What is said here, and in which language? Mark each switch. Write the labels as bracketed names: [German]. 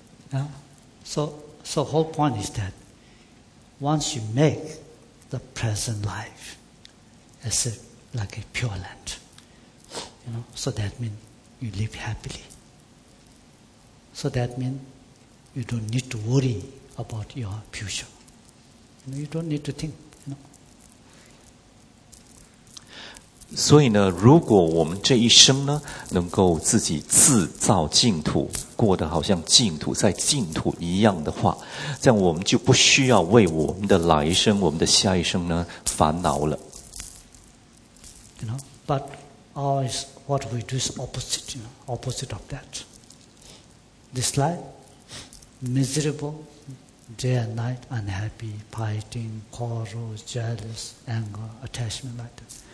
[English] Now, so the whole point is that once you make the present life as a, like a pure land, you know, so that means you live happily. So that means you don't need to worry about your future. You know, you don't need to think. [Chinese] 所以呢，如果我们这一生呢，能够自己自造净土，过得好像净土在净土一样的话，这样我们就不需要为我们的来生、我们的下一生呢烦恼了。 [English] You know, but always what we do is opposite, you know, opposite of that. This life, miserable, day and night, unhappy, fighting, quarrel, jealous, anger, attachment, like that.